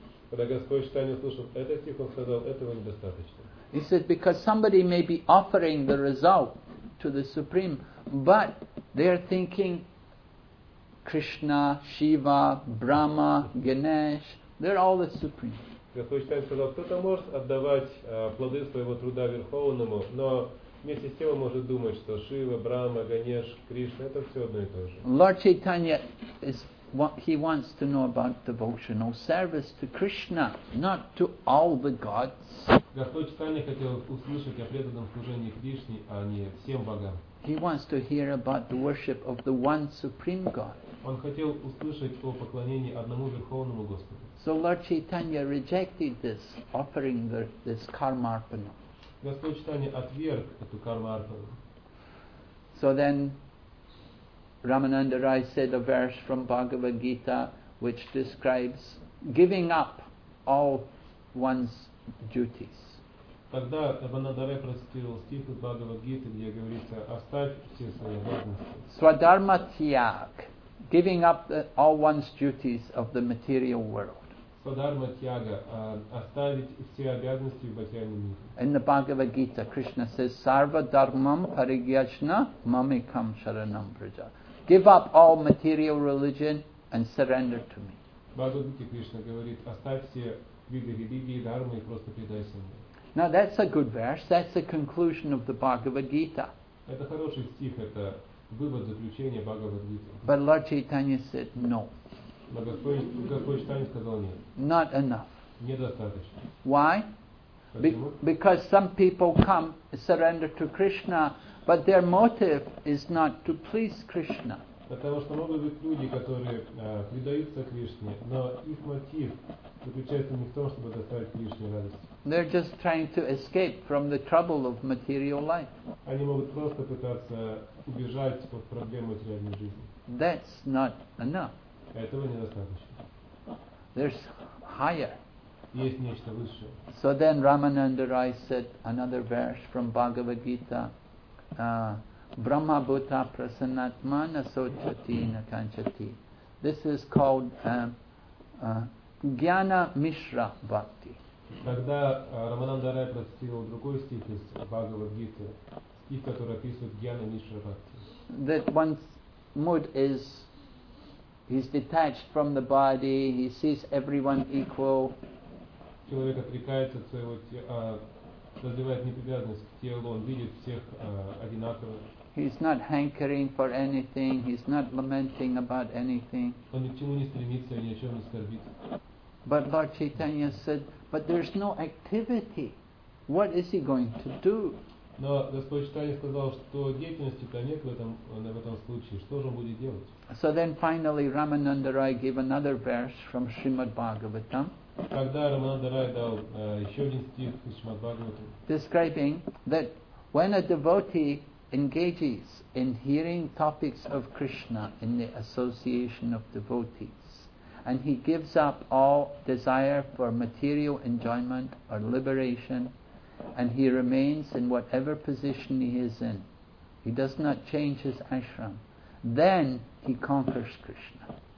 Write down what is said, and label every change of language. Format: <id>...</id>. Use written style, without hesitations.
<ru>Когда Господь Чайтанья слушал этот стих, он сказал, этого недостаточно.</ru> <en>He said, because somebody may be offering the result to the Supreme, but they are thinking Krishna, Shiva, Brahma, Ganesh, they're all the Supreme.</en> <ru>Господь Чайтанья сказал, кто-то может отдавать плоды своего труда Верховному, но вместе с тем он может думать, что Шива, Брахма, Ганеш, Кришна, это все одно и то же.</ru> <en>Lord Chaitanya is what he wants to know about devotional service to Krishna, not to all the gods.</en> <ru>Господь Чайтанья хотел услышать о преданном служении Кришне, а не всем богам.</ru> <en>He wants to hear about the worship of the one Supreme God.</en> <ru>Он хотел услышать о поклонении одному Верховному Господу.</ru> <en>So Lord Chaitanya rejected this offering, this karma arpana.</en> <ru>Господь Чайтанья отверг эту карма арпану.</ru> <en>So then Ramananda Rai said a verse from Bhagavad Gita which describes giving up all one's duties.</en> <ru>Тогда Рамананда Рай процитировал стих из Бхагавад Гиты, где говорится, оставь все свои обязанности.</ru> <en>Свадхарма тьяг, giving up all one's duties of the material world.</en> <ru>Свадхарма тьяга, оставить все обязанности в материальном мире.</ru> <en>In the Bhagavad Gita, Krishna says,</en> <sa>sarva dharmam parigyajna mamikam sharanam vraja.</sa> <en>Give up all material religion and surrender to me.</en> <ru>Бхагавад Гита Кришна говорит, оставь все виды религии, дармы и просто предайся мне.</ru> <en>Now that's a good verse. That's the conclusion of the Bhagavad Gita.</en> <ru>Это хороший стих, это вывод заключения Бхагавад Гиты.</ru> <en>But Lord Chaitanya said no.</en> <ru>Но Господь Чайтанья сказал нет.</ru> <en>Not enough.</en> <ru>Недостаточно.</ru> <en>Why? Because some people come surrender to Krishna, but their motive is not to please Krishna.</en> <ru>Потому что могут быть люди, которые предаются Кришне, но их мотив заключается не в том, чтобы доставить Кришне радость.</ru> <en>They're just trying to escape from the trouble of material life.</en> <ru>Они могут просто пытаться убежать от проблем материальной жизни.</ru> <en>That's not enough.</en> <ru>Этого недостаточно.</ru> <en>There's higher.</en> <ru>Есть нечто высшее.</ru> <en>So then Ramananda Rai said another verse from Bhagavad Gita.</en> <sa>Brahma Bhuta Prasannatmana Sochati Nakanchati.</sa> <en>This is called Jnana Mishra Bhakti.</en> <ru>Когда Рамананда Рай процитировал другой стих из Бхагавад Гиты, стих, который описывает Джняна Мишра Бхакти.</ru> <en>That one's mood is he's detached from the body, he sees everyone equal.</en> <ru>Человек отрекается от своего тела, развивает неприязнь к телу, он видит всех одинаково.</ru> <en>He's not hankering for anything, he's not lamenting about anything.</en> <ru>Он ни к чему не стремится и ни о чем не скорбит.</ru> <en>But Lord Chaitanya said, but there's no activity. What is he going to do?</en> <ru>Но Господь Чайтанья сказал, что деятельности-то нет в этом случае. Что же он будет делать?</ru> <en>So then finally Ramananda Rai gave another verse from Srimad Bhagavatam.</en> <ru>Когда Рамананда Рай дал еще один стих из Шримад Бхагаватам.</ru> <en>Describing that when a devotee engages in hearing topics of Krishna in the association of devotees, and he gives up all desire for material enjoyment or liberation, and he remains in whatever position he is in, he does not change his ashram, then he conquers Krishna.</en>